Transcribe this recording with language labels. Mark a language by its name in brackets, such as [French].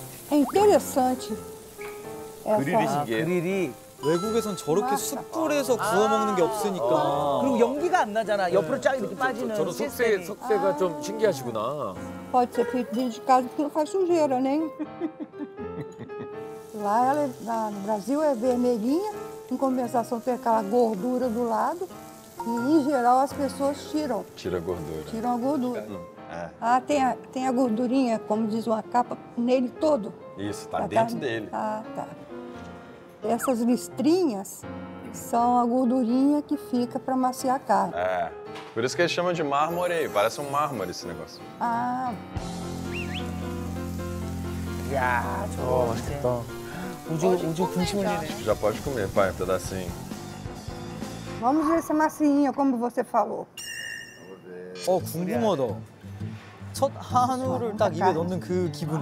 [Korean] 아, interessante. 그릴이 신기해. 그릴이. 외국에선 저렇게 맞아. 숯불에서 구워 먹는 게 없으니까. 아. 그리고 연기가 안 나잖아. 옆으로 쫙 이렇게 빠지는. 저런 석쇠가 아. 좀 신기하시구나. [Portuguese] Pode ser feito de casa porque não faz sujeira, né? Lá ela, no Brasil é vermelhinha, em compensação tem aquela gordura do lado e, em geral, as pessoas tiram. Tira a gordura. Tiram a gordura. Ah, tem a gordurinha, como diz uma capa, nele todo. Isso, tá dentro carne. Dele. Ah, tá. Essas listrinhas são a gordurinha que fica para maciar a carne. É, por isso que eles chamam de mármore, parece um mármore esse negócio. Ah. Já, maciado. Já pode comer, pai, um pedacinho. Vamos ver se é macinha, como você falou. [Korean] Oh, 궁금하다. 첫 한우를 딱 입에 넣는 그 기분.